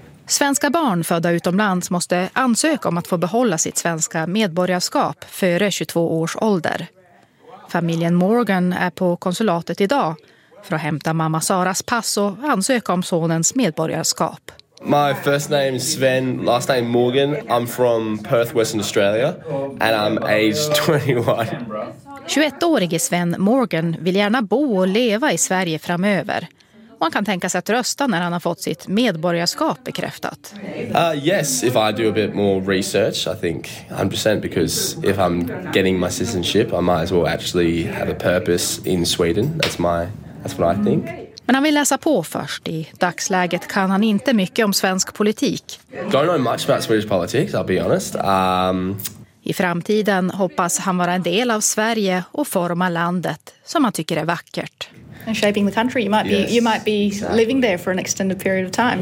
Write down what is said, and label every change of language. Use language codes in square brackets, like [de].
[sv] Svenska barn födda utomlands måste ansöka om att få behålla sitt svenska medborgarskap före 22 års ålder. Familjen Morgan är på konsulatet idag för att hämta mamma Saras pass och ansöka om sonens medborgarskap. [en] My first name is Sven, last name Morgan. I'm from Perth, Western Australia, and I'm age 21. [sv] 21-årige Sven Morgan vill gärna bo och leva i Sverige framöver. Och han kan tänka sig att rösta när han har fått sitt medborgarskap bekräftat. [en] Yes, if I do a bit more research, I think 100%, because if I'm getting my citizenship, I might as well actually have a purpose in Sweden. That's what I think. [sv] Men han vill läsa på först. I dagsläget kan han inte mycket om svensk politik. [en] Don't know much about Swedish politics, I'll be honest. [sv] I framtiden hoppas han vara en del av Sverige och forma landet som han tycker är vackert. [en] And shaping the country, you might be exactly. Living there for an extended period of time.